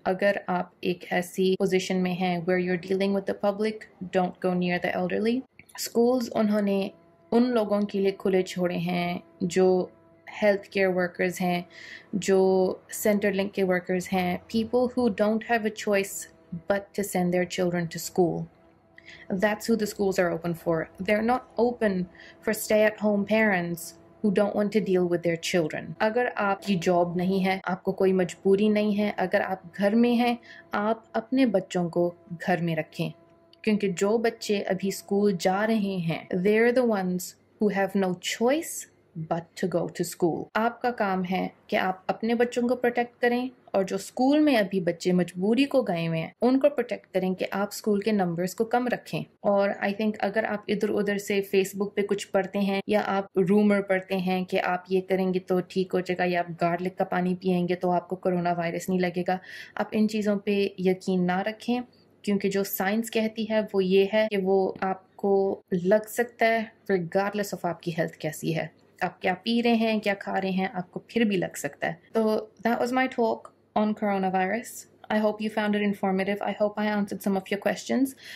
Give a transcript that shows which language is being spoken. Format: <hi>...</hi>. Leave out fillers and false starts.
<hi>अगर आप एक ऐसी पोजीशन में हैं</hi> <en>Where you are dealing with the public, don't go near the elderly.</en> <hi>Schools उन्होंने उन लोगों के लिए खुले छोड़े हैं जो हेल्थ केयर वर्कर्स हैं, जो सेंटर लिंक के वर्कर्स हैं,</hi> <en>People who don't have a choice but to send their children to school. That's who the schools are open for. They're not open for stay-at-home parents who don't want to deal with their children.</en> <hi>अगर आपकी job नहीं है, आपको कोई मजबूरी नहीं है, अगर आप घर में हैं, आप अपने बच्चों को घर में रखें. क्योंकि जो बच्चे अभी स्कूल जा रहे हैं,</hi> <en>they're the ones who have no choice but to go to school.</en> <hi>आपका काम है कि आप अपने बच्चों को प्रोटेक्ट करें और जो स्कूल में अभी बच्चे मजबूरी को गए हुए हैं उनको प्रोटेक्ट करें कि आप स्कूल के नंबर्स को कम रखें. और आई थिंक अगर आप इधर उधर से फेसबुक पे कुछ पढ़ते हैं या आप रूमर पढ़ते हैं कि आप ये करेंगे तो ठीक हो जाएगा या आप गार्लिक का पानी पिएंगे तो आपको कोरोना वायरस नहीं लगेगा, आप इन चीज़ों पर यकीन ना रखें. क्योंकि जो साइंस कहती है वो ये है कि वो आपको लग सकता है रिगार्डलेस ऑफ आपकी हेल्थ कैसी है, आप क्या पी रहे हैं, क्या खा रहे हैं, आपको फिर भी लग सकता है.</hi> <en>तो that was my talk on coronavirus. I hope you found it informative. I hope I answered some of your questions.</en>